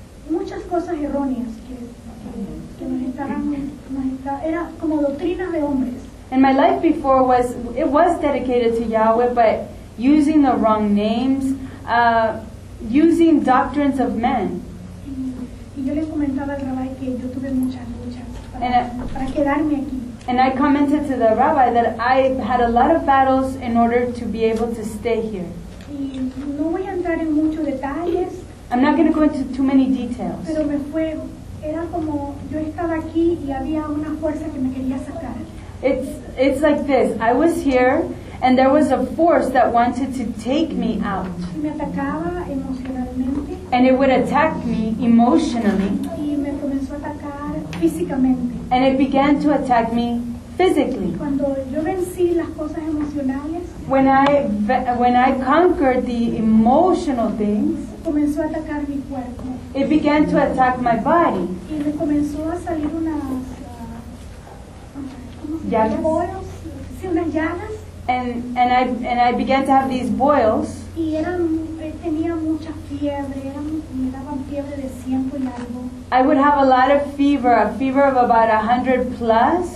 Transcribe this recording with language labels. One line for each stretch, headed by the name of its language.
Spanish: Muchas cosas erróneas que era como doctrinas de hombres.
English: And my life before was dedicated to Yahweh, but using the wrong names, using doctrines of men.
Spanish: Y yo les comentaba al rabbi que yo tuve muchas luchas para quedarme aquí.
English: And I commented to the rabbi that I had a lot of battles in order to be able to stay here.
Spanish: Y no voy a entrar en muchos detalles.
English: I'm not going to go into too many details.
Spanish: Pero me fue, era como, yo estaba aquí y había una fuerza que me quería sacar.
English: It's like this. I was here and there was a force that wanted to take me out.
Spanish: Y me atacaba emocionalmente.
English: And it would attack me emotionally.
Spanish: Y me comenzó a atacar físicamente.
English: And it began to attack me physically.
Spanish: Cuando yo vencí las cosas emocionales,
English: when I conquered the emotional things,
Spanish: comenzó a atacar mi cuerpo.
English: It began to attack my body.
Spanish: Y me comenzó a salir unas
English: boils,
Spanish: sí, unas llagas.
English: And I began to have these boils.
Spanish: Y tenía mucha fiebre, me daban fiebre de 100 y algo.
English: I would have a lot of fever, a fever of about 100 plus.